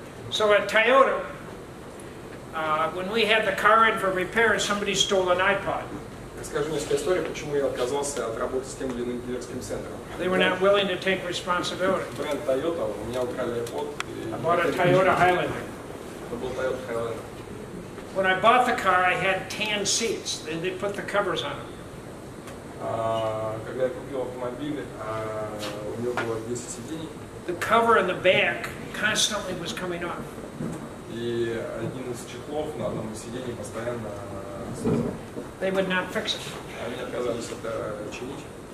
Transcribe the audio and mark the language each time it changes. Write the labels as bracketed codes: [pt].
[en] So at Toyota, when we had the car in for repair, somebody stole an iPod. [ru] Расскажу несколько историй, почему я отказался от работы с тем или иным дилерским центром. [en] They were not willing to take responsibility. [ru] Бренд Toyota, у меня украли iPod. [en] I bought a Toyota Highlander. [ru] Это был Toyota Highlander. [en] When I bought the car, I had tan seats. Then they put the covers on them. [ru] Когда я купил автомобиль, у него было 10 сидений. [en] The cover in the back constantly was coming off. [ru] И один из чехлов на одном из сидений постоянно слезал. [en] They would not fix it. [ru] Они отказались это чинить.